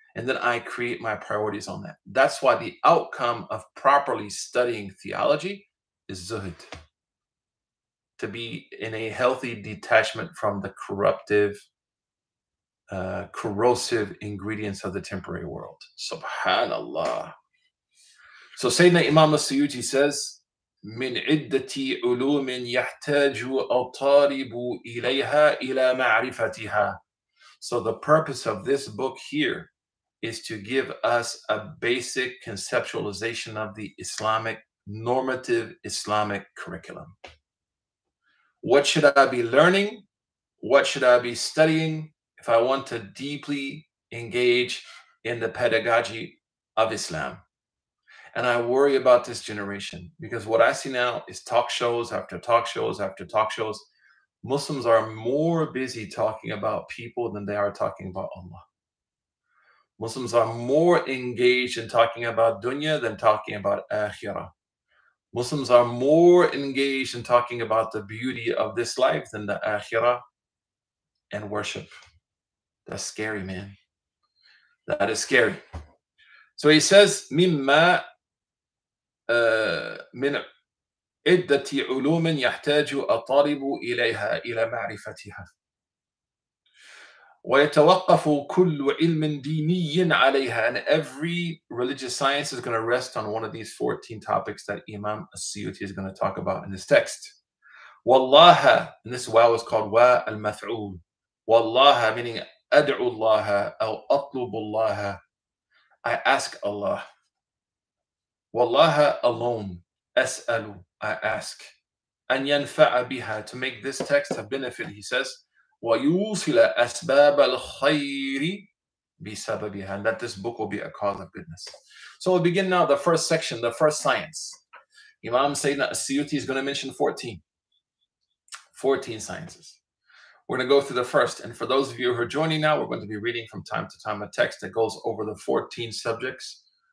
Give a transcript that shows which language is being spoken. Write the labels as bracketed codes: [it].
[en] And then I create my priorities on that. That's why the outcome of properly studying theology is zuhd, to be in a healthy detachment from the corruptive, corrosive ingredients of the temporary world. Subhanallah. So Sayyidina Imam al-Suyuti says, [ar] مِنْ عِدَّةِ عُلُومٍ يَحْتَاجُ أَطَالِبُ إِلَيْهَا إِلَى مَعْرِفَتِهَا. [en] So the purpose of this book here is to give us a basic conceptualization of the Islamic, normative Islamic curriculum. What should I be learning? What should I be studying if I want to deeply engage in the pedagogy of Islam? And I worry about this generation, because what I see now is talk shows after talk shows after talk shows. Muslims are more busy talking about people than they are talking about Allah. Muslims are more engaged in talking about dunya than talking about akhirah. Muslims are more engaged in talking about the beauty of this life than the akhirah and worship. That's scary, man. That is scary. So he says, [ar] مِمَّا مِنْ عِدَّةِ عُلُومٍ يَحْتَاجُ أَطَالِبُ إِلَيْهَا إِلَى مَعْرِفَتِهَا. ويتوقف كل علم ديني عليها. [en] And every religious science is going to rest on one of these 14 topics that Imam al-Suyuti is going to talk about in this text. والله, and this wa is called wa al-maf'ul. والله, meaning [ar] أدعو الله أو أطلب الله. [en] I ask Allah. [ar] والله alone. أسأل. [en] I ask. [ar] أن ينفع بها. [en] To make this text a benefit, he says. [ar] ويوصل أسباب الخير بسببها. [en] And that this book will be a cause of goodness. So we'll begin now the first section, the first science. Imam Sayyidina al-Suyutti is going to mention 14. 14 sciences. We're going to go through the first. And for those of you who are joining now, we're going to be reading from time to time a text that goes over the 14 subjects.